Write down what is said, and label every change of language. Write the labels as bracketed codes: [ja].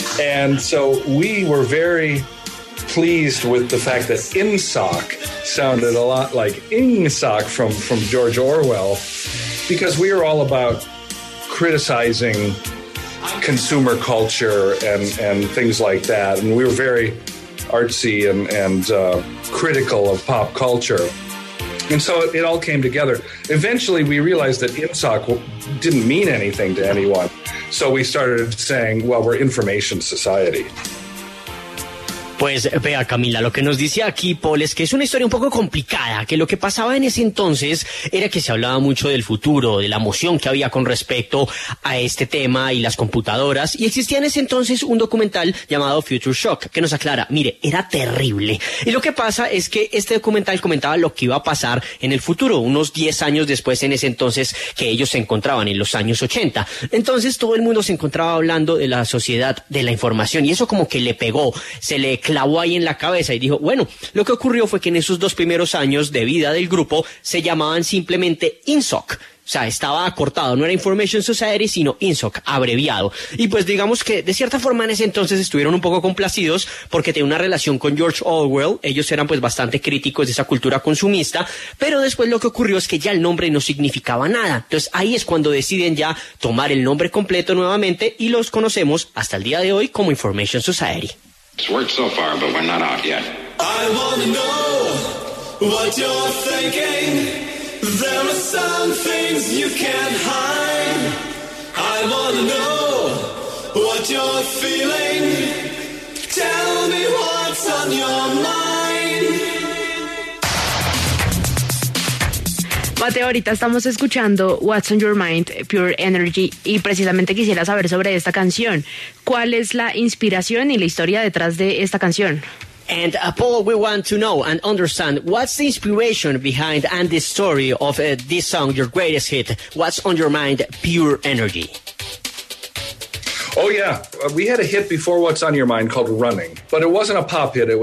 [en] And so we were very pleased with the fact that InSoc sounded a lot like InSoc from George Orwell, because we are all about criticizing consumer culture and things like that, and we were very artsy and critical of pop culture, and so it all came together. Eventually, we realized that InSoc didn't mean anything to anyone, so we started saying, "Well, we're Information Society." [es] Pues vea, Camila, lo que nos dice aquí Paul es que es una historia un poco complicada, que lo que pasaba en ese entonces era que se hablaba mucho del futuro, de la emoción que había con respecto a este tema y las computadoras, y existía en ese entonces un documental llamado Future Shock, que nos aclara, mire, era terrible. Y lo que pasa es que este documental comentaba lo que iba a pasar en el futuro, unos 10 años después en ese entonces que ellos se encontraban, en los años 80. Entonces todo el mundo se encontraba hablando de la sociedad de la información, y eso como que le pegó, se le clavó ahí en la cabeza y dijo, bueno, lo que ocurrió fue que en esos dos primeros años de vida del grupo se llamaban simplemente INSOC. O sea, estaba acortado, no era Information Society, sino INSOC, abreviado. Y pues digamos que de cierta forma en ese entonces estuvieron un poco complacidos porque tenía una relación con George Orwell. Ellos eran pues bastante críticos de esa cultura consumista, pero después lo que ocurrió es que ya el nombre no significaba nada. Entonces ahí es cuando deciden ya tomar el nombre completo nuevamente y los conocemos hasta el día de hoy como Information Society. [en] It's worked so far, but we're not out yet. I wanna know what you're thinking. There are some things you can't hide. I wanna know what you're feeling. Tell me what's on your mind. [es] Mateo, ahorita estamos escuchando What's on Your Mind, Pure Energy, y precisamente quisiera saber sobre esta canción. ¿Cuál es la inspiración y la historia detrás de esta canción? [en] And Paul, we want to know and understand what's the inspiration behind and the story of this song, your greatest hit, What's on Your Mind, Pure Energy. Oh, yeah. We had a hit before What's on Your Mind called Running, but it wasn't a pop hit.